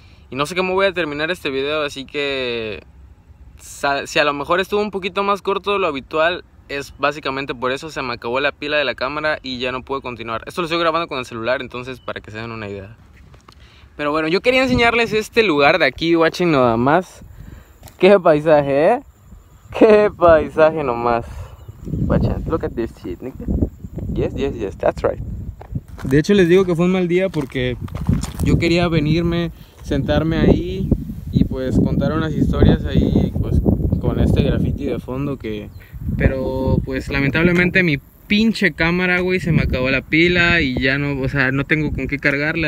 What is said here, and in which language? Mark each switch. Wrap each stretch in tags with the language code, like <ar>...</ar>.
<es>Y no sé cómo voy a terminar este video, así que si a lo mejor estuvo un poquito más corto de lo habitual, es básicamente por eso, se me acabó la pila de la cámara y ya no pude continuar. Esto lo estoy grabando con el celular, entonces para que se den una idea. Pero bueno, yo quería enseñarles este lugar de aquí, watching nada más. Qué paisaje, ¿eh? Qué paisaje nomás.</es> <en>Watch it. Look at this shit, nigga. Yes, that's right.</en> <es>De hecho, les digo que fue un mal día porque yo quería venirme, sentarme ahí y pues contar unas historias ahí, pues con este graffiti de fondo que. Pero pues lamentablemente mi pinche cámara, güey, se me acabó la pila y ya no, o sea, no tengo con qué cargarla.</es>